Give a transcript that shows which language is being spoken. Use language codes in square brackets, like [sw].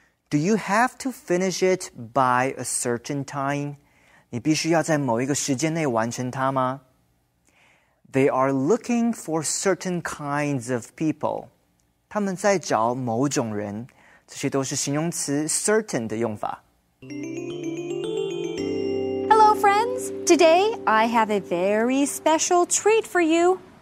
[en] Do you have to finish it by a certain time? [zh] 你必须要在某一个时间内完成它吗？ [en] They are looking for certain kinds of people. [zh] 他们在找某种人。这些都是形容词 certain 的用法。 [en] Hello, friends. Today, I have a very special treat for you.